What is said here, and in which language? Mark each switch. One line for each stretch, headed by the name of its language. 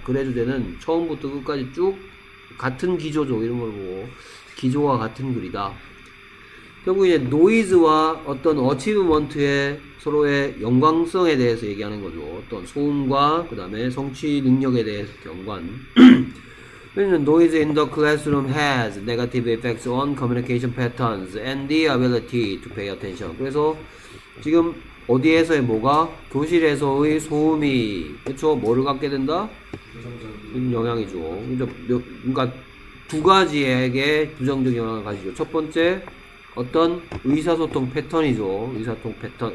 Korean: 그래 주제는 처음부터 끝까지 쭉 같은 기조죠. 이런 걸 보고 기조와 같은 글이다. 결국 이제 노이즈와 어떤 어치브먼트의 서로의 연관성에 대해서 얘기하는 거죠. 어떤 소음과 그 다음에 성취 능력에 대해서 연관.
English: 왜냐면 noise in the classroom has negative effects on communication patterns and the ability to pay attention.
Korean: 그래서 지금 어디에서의 뭐가? 교실에서의 소음이 그쵸? 뭐를 갖게 된다? 영향이죠. 그러니까 두 가지에게 부정적 영향을 가지죠. 첫 번째 어떤 의사소통 패턴이죠. 의사소통 패턴.